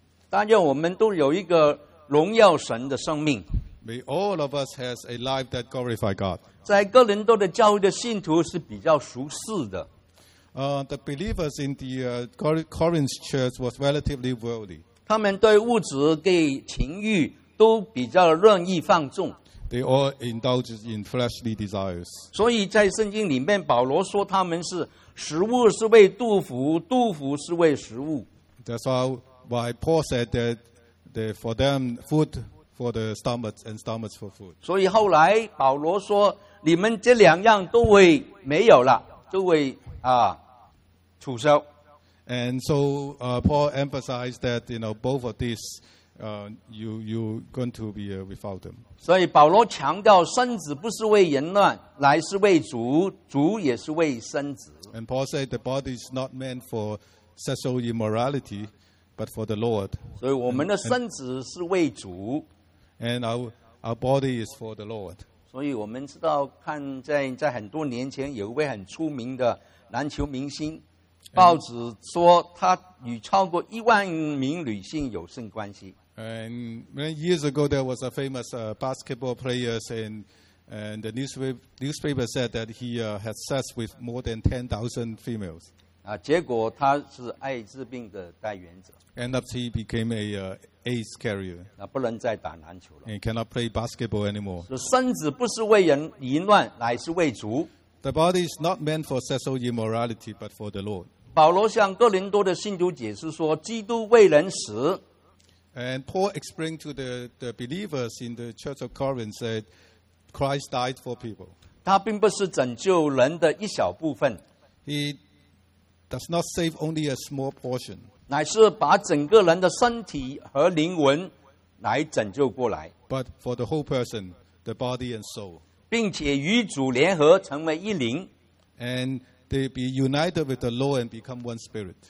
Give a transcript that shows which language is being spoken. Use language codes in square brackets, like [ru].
[zh] 但愿我们都有一个荣耀神的生命。 [en] May all of us has a life that glorifies God. [zh] 在哥林多的教会的信徒是比较熟识的。 [en] The believers in the Corinth church was relatively worldly. [zh] 他们对物质跟情欲都比较任意放纵。 [en] They all indulge in fleshly desires. [zh] 所以在圣经里面，保罗说他们是食物是为杜甫，杜甫是为食物。 [en] That's why Paul said that they for them food for the stomach and stomachs for food. [zh] 所以后来保罗说，你们这两样都会没有了，都会啊。 [en] And so Paul emphasized that you know both of these you're going to be without them. [zh] 所以保罗强调身子不是为淫乱，乃是为主，主也是为身子。 [en] And Paul said the body is not meant for sexual immorality, but for the Lord. [zh] 所以我们的身子是为主。 [en] And our body is for the Lord. [zh] 所以我们知道看在很多年前有一位很出名的篮球明星。报纸说他与超过10,000名女性有性关系。 [en] And many years ago, there was a famous basketball player, and the newspaper said that he had sex with more than 10,000 females. [zh] 结果他是艾滋病的代言者。 [en] End up, he became a AIDS carrier. [zh] 不能再打篮球了。 [en] And cannot play basketball anymore. [zh] 身子不是为人淫乱，乃是为主。 [en] The body is not meant for sexual immorality, but for the Lord. [zh] 保罗向哥林多的信徒解释说，基督为人死。 [en] And Paul explained to the believers in the Church of Corinth that Christ died for people. [zh] 他并不是拯救人的一小部分。 [en] He does not save only a small portion. [zh] 乃是把整个人的身体和灵魂来拯救过来。 [en] But for the whole person, the body and soul. [zh] 并且与主联合成为一灵。 [en] And they be united with the Lord and become one spirit.